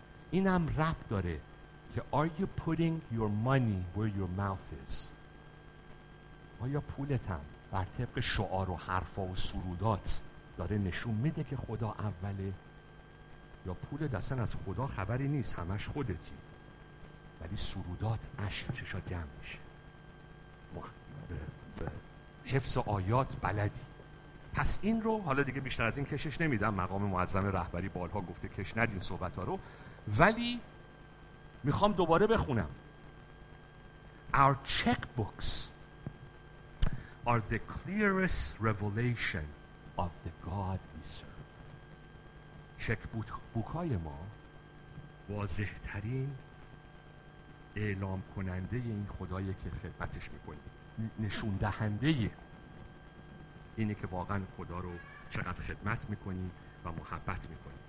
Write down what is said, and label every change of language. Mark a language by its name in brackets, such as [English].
[Persian] اینم ربط داره که [English] Are you putting your money where your mouth is؟ [Persian] آیا پولتم بر طبق شعار و حرفا و سرودات داره نشون میده که خدا اوله، یا پول دستن از خدا خبری نیست، همش خودتی، ولی سرودات عشقشا جمع میشه، حفظ آیات بلدی. پس این رو حالا دیگه بیشتر از این کشش نمیدم، مقام معظم رهبری بارها گفته کش ندین صحبت ها رو، ولی میخوام دوباره بخونم. [English] Our checkbooks are the clearest revelation of the God we serve. [Persian] چک‌بوک‌های ما واضح‌ترین اعلام کننده این خدایی که خدمتش میکنیم، نشون دهنده اینه که واقعا خدا رو چقدر خدمت میکنیم و محبت میکنیم.